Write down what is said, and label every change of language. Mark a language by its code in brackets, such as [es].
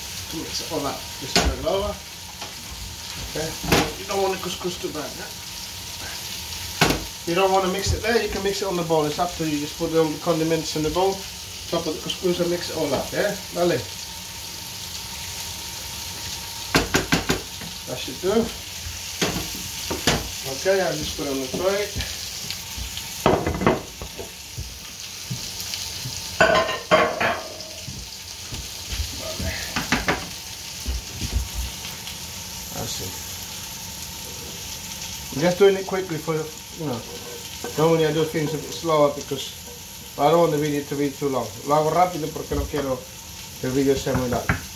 [es] Tú me sacas la cuchara de la ova. [en] Okay. You don't want the couscous too bad, yeah? You don't want to mix it there, you can mix it on the bowl. It's up to you, just put all the condiments in the bowl, top of the couscous and mix it all up, yeah? [es] Vale. [en] That should do. Okay, I'll just put it on the plate. [es] Vale. [en] That's it. I'm just doing it quickly for, you know, normally I do things a bit slower because I don't want the video to be too long. [es] Lo hago rápido porque no quiero que el video sea muy largo.